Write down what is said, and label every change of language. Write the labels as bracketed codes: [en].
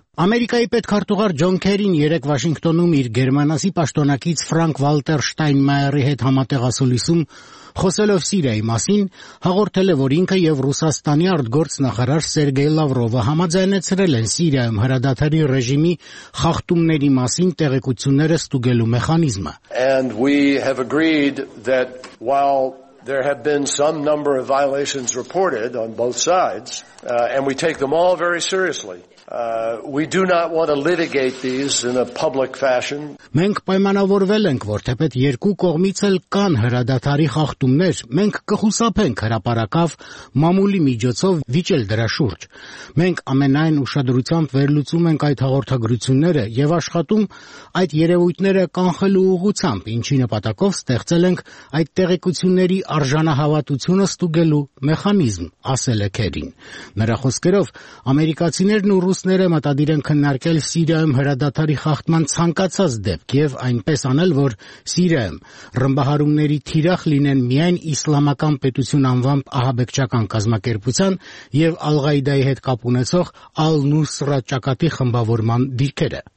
[hy] Ամերիկայի պետքարտուղար Ջոն Քերին երեկ Վաշինգտոնում իր գերմանացի պաշտոնակից Ֆրանկ Վալտեր Շտայնմայերի հետ համատեղասուլիսում խոսելով Սիրիայի մասին հաղորդել է, որ ինքը եւ Ռուսաստանի արտգործ նախարար Սերգեյ Լավրովը համաձայնեցրել են Սիրիայում հրադադարի ռեժիմի խախտումների մասին տեղեկությունները ստուգելու մեխանիզմը։ [en] And we have agreed that while there have been some number of violations reported on both sides, and we take them all very seriously. We do not want to litigate these in a public fashion. [hy] Մենք պայմանավորվել ենք, որ թեպետ երկու կողմից էլ կան հրադադարի խախտումներ, մենք կխուսափենք հրապարակավ մամուլի միջոցով վիճել դրա շուրջ։ Մենք ամենայն ուշադրությամբ վերլուծում ենք այդ հաղորդագրությունները եւ աշխատում այդ երևույթները կանխելու ուղղությամբ, ինչի նպատակով ստեղծել ենք այդ տեղեկությունների արժանահավատությունը ստուգելու մեխանիզմ, ասել է Քերին։ Նրա խոսքերով ամերիկացիներն ու ռուսները մտադիր են քննարկել Սիրիայում հրադադարի խախտման ցանկացած դեպք եւ այնպես անել, որ Սիրիայում ռմբահարումների թիրախ լինեն միայն Իսլամական պետություն անվամբ ահաբեկչական կազմակերպության եւ Ալ-Ղաիդայի հետ կապ ունեցող Ալ-Նուսրա ճակատի խմբավորման դիրքերը։